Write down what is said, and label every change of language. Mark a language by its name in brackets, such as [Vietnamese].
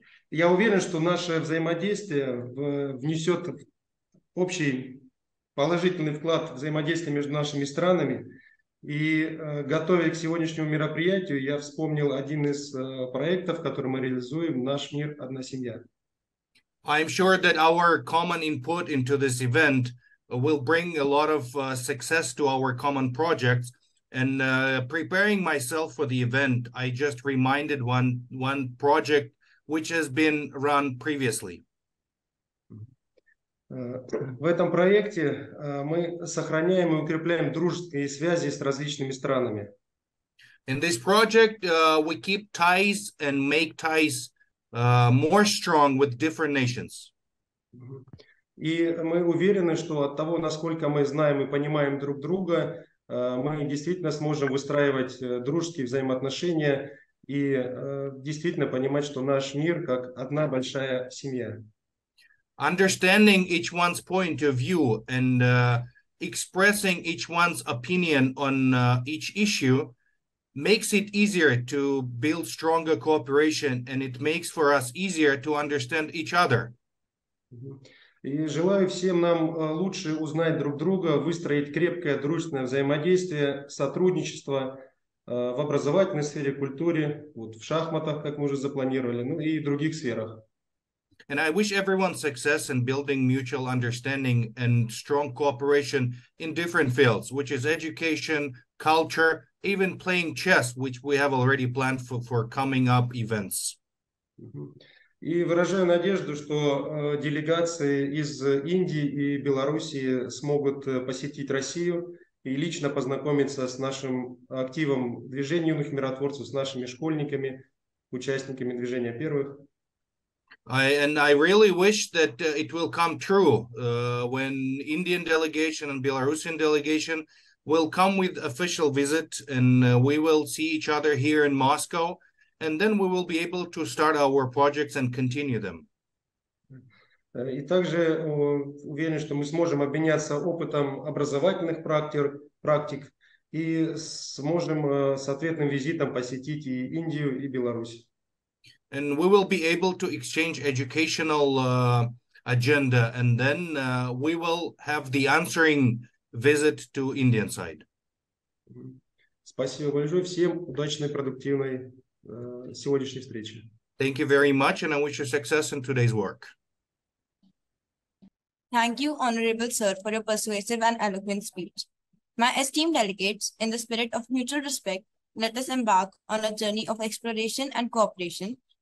[Russian] Я уверен, что наше взаимодействие внесет общий положительный вклад в взаимодействие между нашими странами. И готовясь к сегодняшнему мероприятию, я вспомнил один из проектов, который мы реализуем, «Наш мир, одна семья». [English] I'm sure that our common input into this event will bring a lot of success to our common projects. And preparing myself for the event, I just reminded one project which has been run previously. [Russian] В этом проекте мы сохраняем и укрепляем дружеские связи с различными странами. [English] In this project, we keep ties and make ties more strong with different nations. [Russian] И мы уверены, что от того, насколько мы знаем и понимаем друг друга, мы действительно сможем выстраивать дружеские взаимоотношения и действительно понимать, что наш мир как одна большая семья. [English] Understanding each one's point of view and expressing each one's opinion on each issue makes it easier to build stronger cooperation, and it makes for us easier to understand each other. [Russian] И желаю всем нам лучше узнать друг друга, выстроить крепкое дружественное взаимодействие, сотрудничество в образовательной сфере, культуре, вот в шахматах, как мы уже запланировали, ну и других сферах. [English] And I wish everyone success in building mutual understanding and strong cooperation in different fields, which is education, culture, even playing chess, which we have already planned for coming up events. [Russian] И выражаю надежду, что делегации из Индии и Белоруссии смогут посетить Россию и лично познакомиться с нашим активом движения юных миротворцев, с нашими школьниками, участниками движения первых. [English] I really wish that it will come true when Indian delegation and Belarusian delegation will come with official visit, and we will see each other here in Moscow, and then we will be able to start our projects and continue them. [Russian] И также уверен, что мы сможем обменяться опытом образовательных практик и сможем с ответным визитом посетить и Индию, и Беларусь. [English] And we will be able to exchange educational agenda, and then we will have the answering visit to Indian side. [Russian] Спасибо большое всем, удачной, продуктивной сегодняшней встречи. [English] Thank you very much, and I wish you success in today's work. Thank you, Honorable Sir, for your persuasive and eloquent speech. My esteemed delegates, in the spirit of mutual respect, let us embark on a journey of exploration and cooperation.